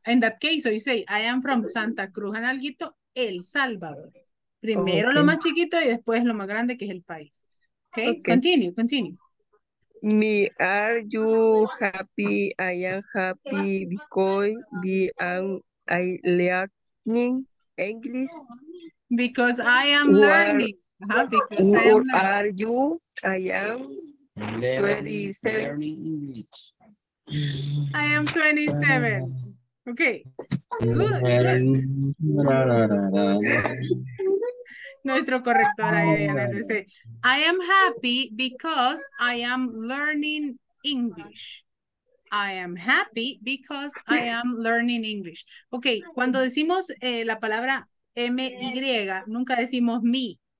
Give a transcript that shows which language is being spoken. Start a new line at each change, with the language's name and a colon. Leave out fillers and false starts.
English: In that case, so you say, I am from Santa Cruz, Anaquito, El Salvador.
Spanish: Primero lo más chiquito y después lo más grande, que es el país.
English: Okay. Continue. Me, are you happy? I am happy because we are learning English. Because I am learning. Who are you? I am 27. I am 27. Okay. Good.
Spanish: Nuestro corrector dice,
English: I am happy because I am learning English. I am happy because I am learning English.
Spanish: Ok, cuando decimos la palabra M-Y, nunca decimos me.